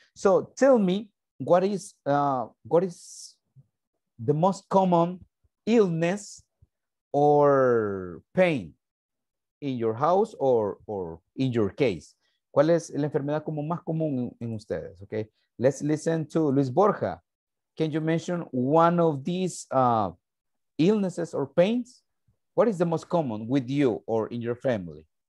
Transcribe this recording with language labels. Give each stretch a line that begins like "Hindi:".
English: So tell me, what is the most common illness or pain in your house or in your case?
Spanish: ¿Cuál es la enfermedad como más común en ustedes?
English: Okay. Let's listen to Luis Borja. Can you mention one of these illnesses or pains? What is the most common with you or in your family?